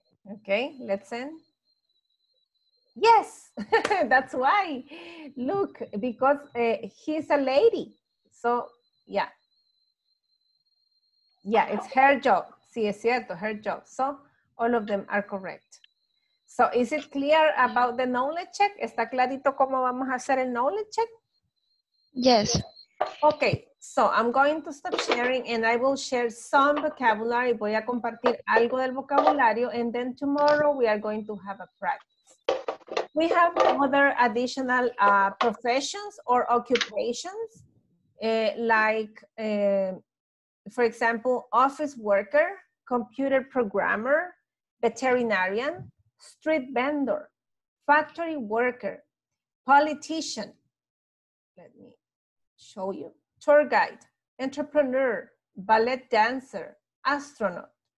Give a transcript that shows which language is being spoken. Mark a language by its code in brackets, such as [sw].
[en] Okay, let's end. Yes, that's why. Look, because he's a lady. So, yeah. Yeah, it's her job. [es] Sí, es cierto, [en] her job. So, all of them are correct. So, is it clear about the knowledge check? [es] ¿Está clarito cómo vamos a hacer el knowledge check? [en] Yes. Okay, so I'm going to stop sharing and I will share some vocabulary. [es] Voy a compartir algo del vocabulario [en] and then tomorrow we are going to have a practice. We have other additional professions or occupations like, for example, office worker, computer programmer, veterinarian, street vendor, factory worker, politician, let me show you, tour guide, entrepreneur, ballet dancer, astronaut,